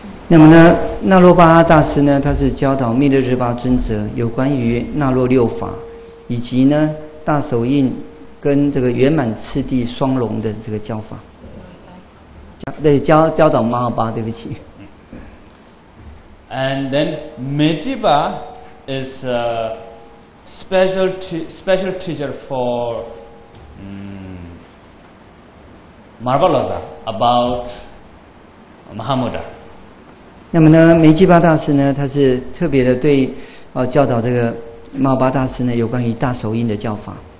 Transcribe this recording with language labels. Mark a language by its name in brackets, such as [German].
[Chinese] 那么呢，纳洛巴大师呢，他是教导密勒日巴尊者有关于纳洛六法，以及呢大手印跟这个圆满次第双龙的这个教法。对 教导马尔巴对不起 [English] And then Medjiba is a special teacher for Marvalloza about Mahamudra [Chinese] 那么呢梅基巴大师呢他是特别的对、教导这个马尔巴大师呢有关于大手印的教法